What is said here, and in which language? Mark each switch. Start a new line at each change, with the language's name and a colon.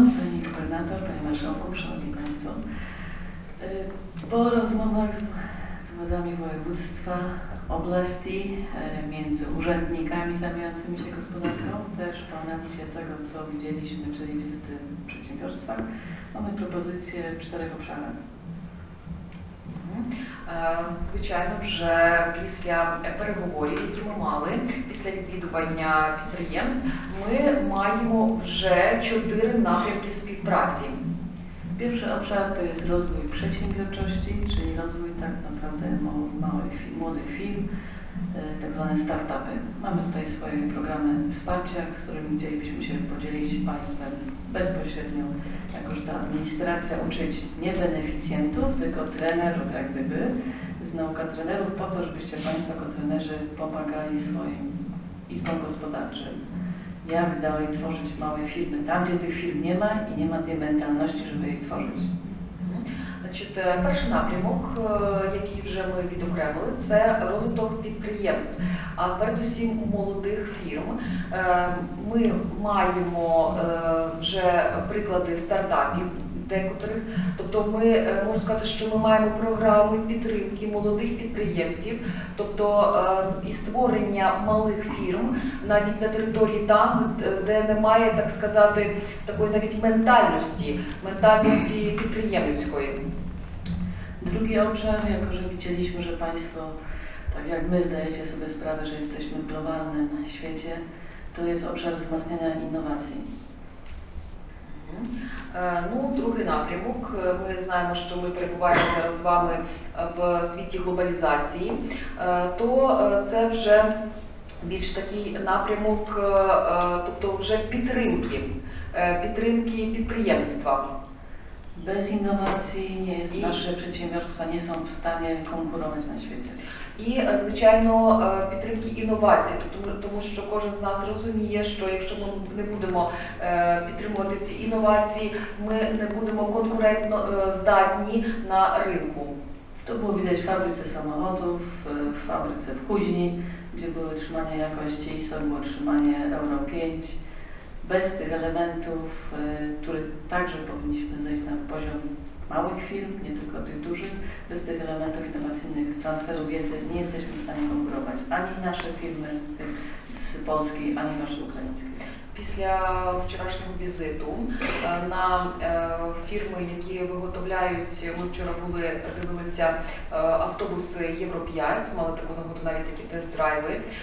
Polish: Pani Gubernator, Panie Marszałku, Szanowni Państwo. Po rozmowach z władzami województwa, oblasti, między urzędnikami zajmującymi się gospodarką, też po analizie tego, co widzieliśmy, czyli wizyty w przedsiębiorstwach, mamy propozycję w czterech obszarach.
Ukrainian: Звичайно, вже після переговорів, які ми мали, після відвідування підприємств, ми маємо вже чотири напрямки співпраці. Перший обшар – це розвиток підприємчості, чи розвиток так направді малих, молодих фірм, так звані стартапи. Маємо тут свої програми вспарття, з якими хотілися б поділитися з
Polish: Państwem
Ukrainian: безпосередньо.
Polish: Jako, że ta administracja uczyć nie beneficjentów, tylko trenerów, jak gdyby, z nauka trenerów, po to, żebyście Państwo jako trenerzy pomagali swoim izbom gospodarczym. Jak dalej tworzyć małe firmy tam, gdzie tych firm nie ma i nie ma tej mentalności, żeby je tworzyć.
Ukrainian: Значить, перший напрямок, який вже ми відокремили, це розвиток підприємств, а передусім у молодих фірм. Ми маємо вже приклади стартапів декотрих, тобто ми можна сказати, що ми маємо програми підтримки молодих підприємців, тобто і створення малих фірм навіть на території там, де немає, так сказати, такої навіть ментальності підприємницької.
Polish: Drugi obszar, jako że widzieliśmy, że Państwo, tak jak my, zdajecie sobie sprawę, że jesteśmy w globalnym świecie, to jest obszar wzmacniania innowacji.
Ukrainian: Ну, другий напрямок. Ми знаємо, що ми перебуваємо зараз з вами в світі глобалізації, то це вже більш такий напрямок, тобто вже підтримки підприємства. Без інновацій наші підприємства не є в стані конкурувати на світі. І, звичайно, підтримки інновацій, тому що кожен з нас розуміє, що якщо ми не будемо підтримувати ці інновації, ми не будемо конкурентно здатні на ринку.
Polish: To było widać w fabryce samochodów, w fabryce w Kuźni, gdzie było trzymanie jakości ISO, było trzymanie Euro 5. Bez tych elementów, które także powinniśmy zejść na poziom małych firm, nie tylko tych dużych, bez tych elementów innowacyjnych, transferu wiedzy, nie jesteśmy w stanie konkurować ani nasze firmy z Polski, ani nasze ukraińskie.
Ukrainian: Після вчорашнього візиту на фірми, які виготовляють, ми вчора були, дивилися автобуси Євро 5, мали таку нагоду навіть такі тест-драйви.